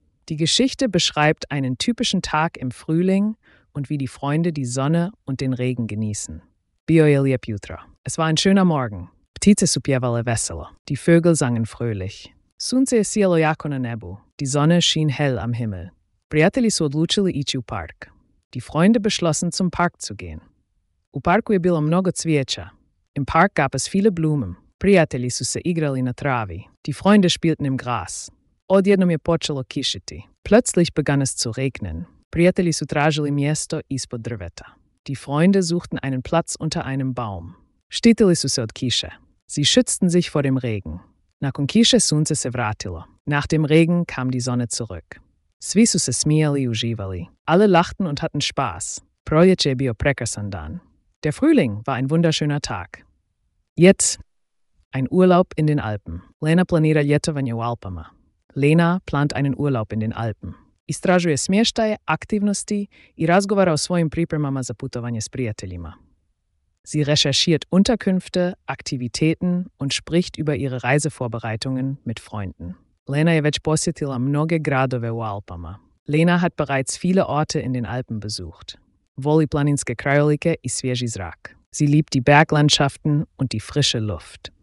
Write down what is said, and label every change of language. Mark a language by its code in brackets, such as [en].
[de] Die Geschichte beschreibt einen typischen Tag im Frühling und wie die Freunde die Sonne und den Regen genießen. [hr] Bio je lijep jutro. [de] Es war ein schöner Morgen. [hr] Ptice su pjevale veselo. [de] Die Vögel sangen fröhlich. [hr] Sunce je sijalo jako na nebu. [de] Die Sonne schien hell am Himmel. [hr] Prijatelji su odlučili ići u park. [de] Die Freunde beschlossen, zum Park zu gehen. [hr] U parku je bilo mnogo cvijeća. [de] Im Park gab es viele Blumen. [hr] Prijatelji su se igrali na travi. [de] Die Freunde spielten im Gras. [hr] Odjednom je počelo kišiti. [de] Plötzlich begann es zu regnen. [hr] Prijatelji su tražili mjesto ispod drveta. [de] Die Freunde suchten einen Platz unter einem Baum. [hr] Štitili su se od kiše. [de] Sie schützten sich vor dem Regen. [hr] Nakon kiše sunce se vratilo. [de] Nach dem Regen kam die Sonne zurück. [hr] Svi su se smijali i uživali. [de] Alle lachten und hatten Spaß. [hr] Proljeće je bio prekrasan dan. [de] Der Frühling war ein wunderschöner Tag. Jetzt ein Urlaub in den Alpen. [hr] Lena planira ljetovanje u Alpama. [de] Lena plant einen Urlaub in den Alpen. [hr] Istražuje smještaje, aktivnosti i razgovara o svojim pripremama za putovanje s prijateljima. [de] Sie recherchiert Unterkünfte, Aktivitäten und spricht über ihre Reisevorbereitungen mit Freunden. [hr] Lena je već posjetila mnoge gradove u Alpama. [de] Lena hat bereits viele Orte in den Alpen besucht. [hr] Voli planinske krajolike i svježi zrak. [de] Sie liebt die Berglandschaften und die frische Luft.